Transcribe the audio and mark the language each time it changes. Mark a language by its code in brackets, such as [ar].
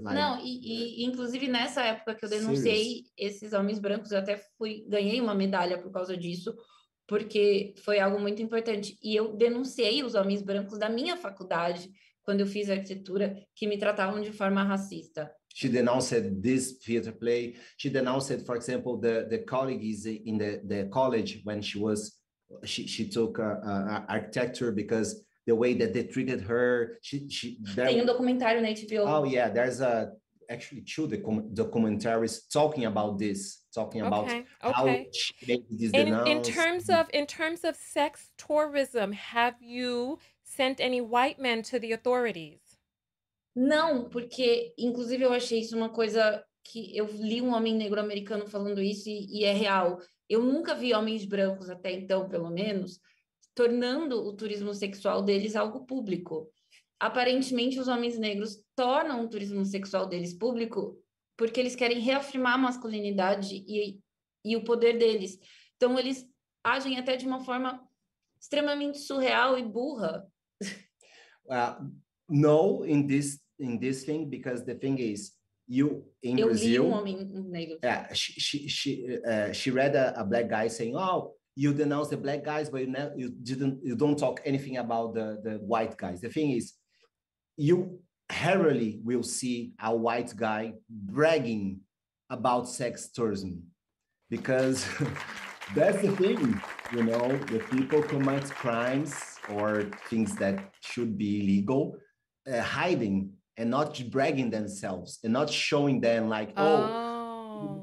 [pt] Like, não, e inclusive nessa época que eu denunciei esses homens brancos, eu até ganhei uma medalha por causa disso, porque foi algo muito importante. E eu denunciei os homens brancos da minha faculdade, quando eu fiz arquitetura, que me tratavam de forma racista. [en] She denounced this theater play. She denounced, for example, the colleagues in the college when she took architecture because the way that they treated her. [pt] Tem um documentário na HBO. [en] Oh, yeah. There's actually two documentaries talking about this. How she made this denounce. In terms of sex tourism, have you sent any white men to the authorities? [pt] Não, porque, inclusive, eu achei isso uma coisa que eu li um homem negro americano falando isso e é real. Eu nunca vi homens brancos até então, pelo menos, tornando o turismo sexual deles algo público. Aparentemente, os homens negros tornam o turismo sexual deles público porque eles querem reafirmar a masculinidade e o poder deles. Então, eles agem até de uma forma extremamente surreal e burra. [en] No, in this thing, because the thing is, Brazil... [pt] Eu li um homem negro. [en] Yeah, she read a black guy saying, oh, you denounce the black guys, but you don't talk anything about the white guys. The thing is, you rarely will see a white guy bragging about sex tourism, because that's the thing, you know, the people commit crimes or things that should be illegal, hiding and not bragging themselves and not showing them like, oh.